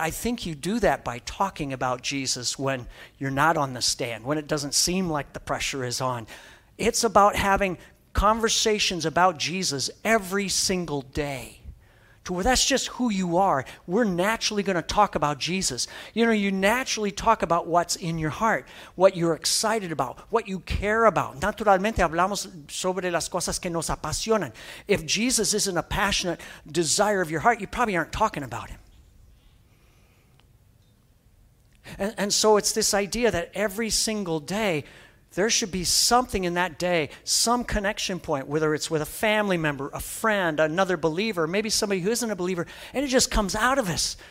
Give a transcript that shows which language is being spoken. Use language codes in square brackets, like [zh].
[en] I think you do that by talking about Jesus when you're not on the stand, when it doesn't seem like the pressure is on. It's about having conversations about Jesus every single day. To where that's just who you are. We're naturally going to talk about Jesus. You know, you naturally talk about what's in your heart, what you're excited about, what you care about. [es] Naturalmente hablamos sobre las cosas que nos apasionan. [en] If Jesus isn't a passionate desire of your heart, you probably aren't talking about him. And so it's this idea that every single day, there should be something in that day, some connection point, whether it's with a family member, a friend, another believer, maybe somebody who isn't a believer, and it just comes out of us.